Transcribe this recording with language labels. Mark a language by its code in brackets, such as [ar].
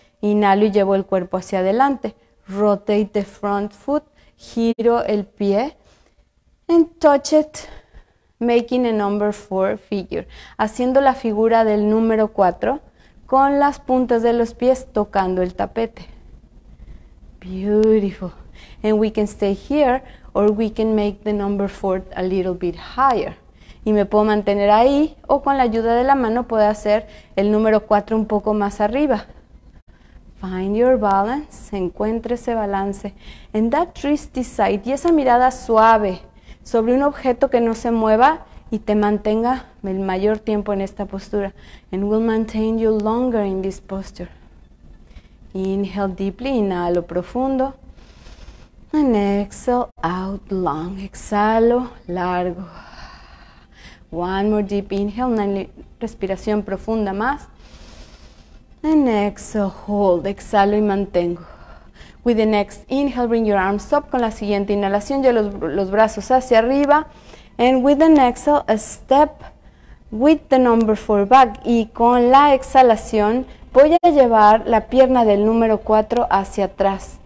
[es] Inhalo y llevo el cuerpo hacia adelante. [en] Rotate the front foot, [es] giro el pie, [en] and touch it, making a number four figure. [es] Haciendo la figura del número 4 con las puntas de los pies tocando el tapete. [en] Beautiful. And we can stay here, or we can make the number four a little bit higher. [es] Y me puedo mantener ahí, o con la ayuda de la mano puedo hacer el número 4 un poco más arriba. [en] Find your balance, [es] encuentre ese balance. [en] And that trusty sight, [es] y esa mirada suave sobre un objeto que no se mueva y te mantenga el mayor tiempo en esta postura. [en] And will maintain you longer in this posture. Inhale deeply, [es] inhalo profundo. [en] And exhale out long, [es] exhalo largo. [en] One more deep inhale, [es] una respiración profunda más. [en] And exhale, hold, [es] exhalo y mantengo. [en] With the next inhale, bring your arms up. [es] Con la siguiente inhalación, llevo los brazos hacia arriba. [en] And with an exhale, a step with the number four back. [es] Y con la exhalación, voy a llevar la pierna del número 4 hacia atrás.